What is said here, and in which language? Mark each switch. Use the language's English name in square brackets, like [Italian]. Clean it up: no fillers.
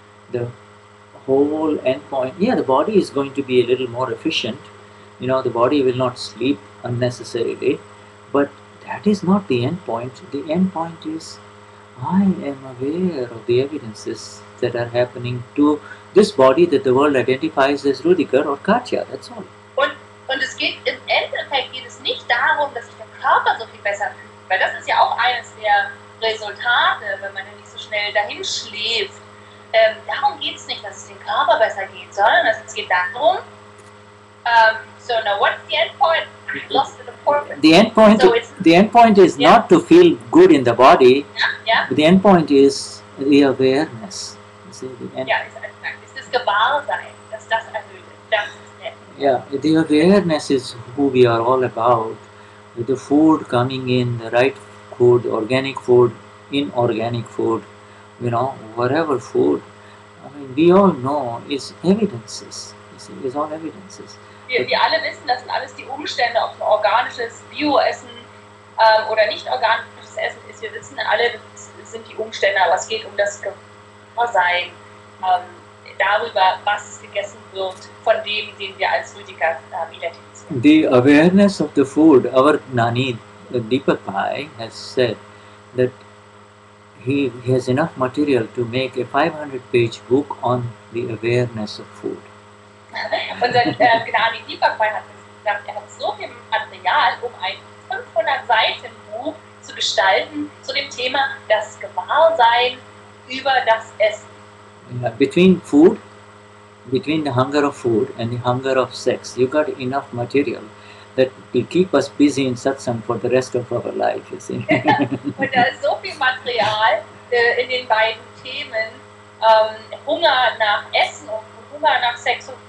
[English] The whole end point, yeah, the body is going to be a little more efficient. You know, the body will not sleep unnecessarily, but that is not the end point. The end point is, I am aware of the evidences that are happening to this body that the world identifies as Rudiger or Katja, that's all. [German] Und es geht im Endeffekt geht es nicht darum, dass sich der Körper so viel besser fühlt, weil das ist ja auch eines der Resultate, wenn man nicht so schnell dahin schläft. Darum geht es nicht, dass es dem Körper besser geht, sondern es geht darum, [English] so now what's the end point? The end point is yeah. Not to feel good in the body, yeah. But the end point is the awareness. You see, the end. Yeah, exactly. It's this Gewahrsein, [German] dass das erhöht. [English] Yeah, the awareness is who we are all about. The food coming in, the right food, organic food, inorganic food, you know, whatever food. I mean, we all know it's evidences. You see, it's all evidences. [German] Wir alle wissen, das sind alles die Umstände, ob organisches Bio-Essen oder nicht organisches Essen ist. Wir wissen alle, das sind die Umstände, aber es geht um das Gewahrsein, darüber, was gegessen wird, von dem, den wir als Rüdiger identifizieren. [English] The awareness of the food, our Nani, Deepak Bhai, has said that he has enough material to make a 500-page book on the awareness of food. [German] Unser Gnani Deepak Bhai hat gesagt, er hat so viel Material, um ein 500-Seiten-Buch zu gestalten zu dem Thema das Gewahrsein über das Essen. [English] Yeah, between food, between the hunger of food and the hunger of sex, you got enough material that will keep us busy in satsang for the rest of our life, you see. [German] Und da ist so viel Material in den beiden Themen, Hunger nach Essen und